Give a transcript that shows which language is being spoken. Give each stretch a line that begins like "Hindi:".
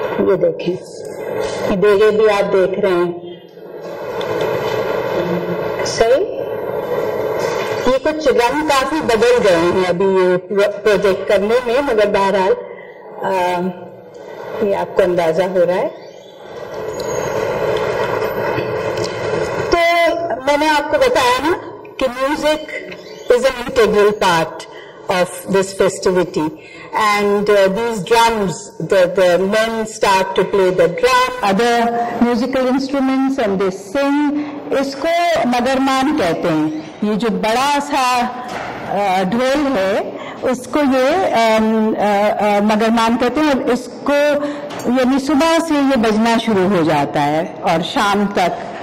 Hindi: ये देखें, देगे भी आप देख रहे हैं, सही, ये कुछ रंग काफी बदल गए हैं अभी ये प्रोजेक्ट करने में, मगर बहरहाल ये आपको अंदाजा हो रहा है। तो मैंने आपको बताया ना कि
English: Music is an integral part of this festivity, and these drums, the men start to play the drum, other musical instruments, and they sing.
Hindi: इसको मगरमान कहते हैं, ये जो बड़ा सा ढोल है उसको ये मगरमान कहते हैं, और इसको यानी सुबह से ये बजना शुरू हो जाता है और शाम तक,